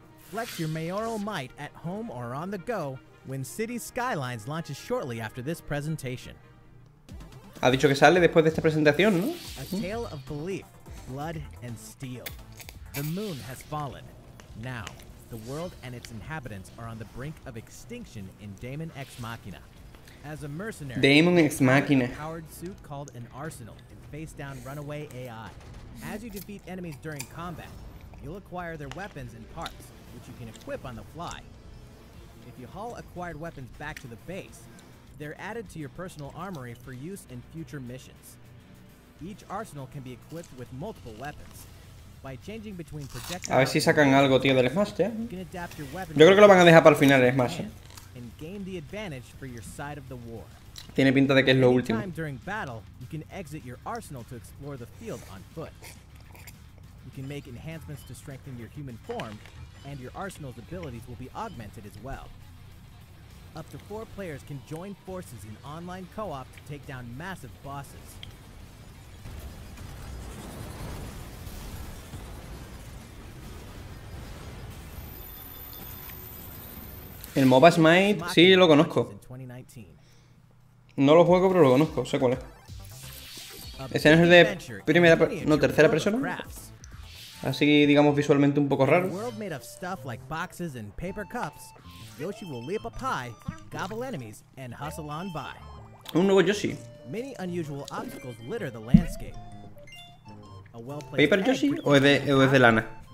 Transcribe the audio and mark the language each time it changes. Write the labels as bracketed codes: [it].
[en] Flex your mayoral might at home or on the go when City Skylines launches shortly after this presentation. [es] Ha dicho que sale después de esta presentación, ¿no? [en] A tale of belief, blood and steel. The moon has fallen. Now, the world and its inhabitants are on the brink of extinction in Daemon Ex Machina. As a mercenary, Daemon Ex Machina. A powered suit called an arsenal and face down runaway AI. As you defeat enemies during combat, you'll acquire their weapons and parts. Which you can equip on the fly. If you haul acquired weapons back to the base, they're added to your personal armory for use in future missions. Each arsenal can be equipped with multiple weapons. By changing between projectiles, [es] a ver si sacan algo, tío, del Smash, ¿eh? Yo creo que lo van a dejar para el final, el Smash. [en] And gain the advantage for your side of the war. [es] Tiene pinta de que es lo último. [en] Anytime during battle, you can exit your arsenal to explore the field on foot. You can make enhancements to strengthen your human form. And your arsenal's abilities will be augmented as well. up to four players can join forces in online co-op to take down massive bosses. [es] El MOBA Smite, sí, lo conozco. No lo juego, pero lo conozco, sé cuál es. Ese es el de primera, no, tercera persona. Así, digamos, visualmente un poco raro. [en] World made of stuff like boxes and paper cups. Yoshi will leap up high, gobble enemies and hustle on by. [es] Un nuevo Yoshi. [en] Many unusual obstacles litter the landscape. A well-placed paper Yoshi [es] o es de lana.